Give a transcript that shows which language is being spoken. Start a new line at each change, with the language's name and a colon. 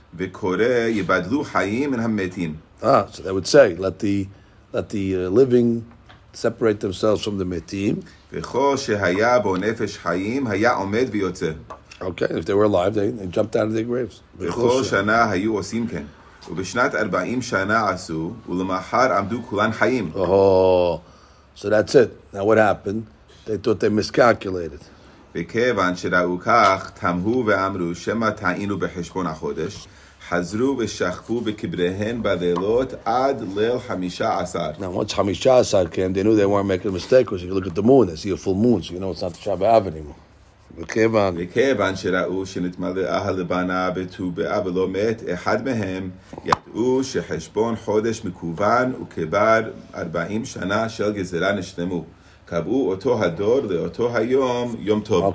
Hebrew: V'kore yibadlu chayim en hametim.
English: Ah, so that would say, let the living separate themselves from the metim.
Hebrew: V'cho shehaya bo nefesh chayim haya omed v'yotze.
English: Okay, if they were alive, they jumped out of their graves.
Hebrew: V'cho shana hayu osim ken. ובשנת 40 שנה עשו, ולמחר עמדו כולן חיים.
English: Oh, so that's it. Now what happened? They thought they miscalculated.
Hebrew: וכיוון שראו כך, תמהו ואמרו, שמה טעינו בחשבון החודש, חזרו ושחקו בקבריהן בלילות עד ליל 15.
English: Now once 15 came, they knew they weren't making a mistake, because if you look at the moon, they see a full moon, so you know it's not the Shabbat anymore.
Hebrew: וכיוון שראו שנתמלא הלבנה בט"ו באב ולא מת אחד מהם, ידעו שחשבון חודש מקוון וכבר 40 שנה של גזירה נשלמו. קבעו אותו הדור לאותו היום יום טוב.